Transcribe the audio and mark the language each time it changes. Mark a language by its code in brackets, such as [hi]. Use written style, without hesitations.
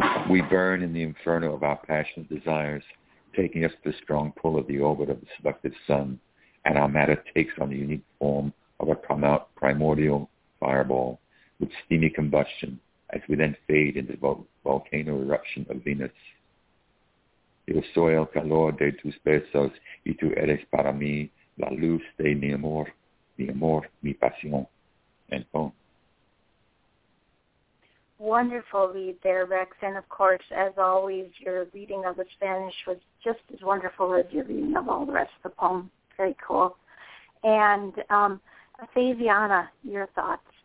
[en] We burn in the inferno of our passionate desires, taking us to the strong pull of the orbit of the seductive sun, and our matter takes on the unique form of a primordial fireball with steamy combustion as we then fade into the volcano eruption of Venus. [es] Yo soy el calor de tus besos y tú eres para mí la luz de mi amor, mi pasión. [en] End quote. Wonderful read there, Rex. And, of course, as always, your reading of the Spanish was just as wonderful as your reading of all the rest of the poem. Very cool. And, Faviana, your thoughts?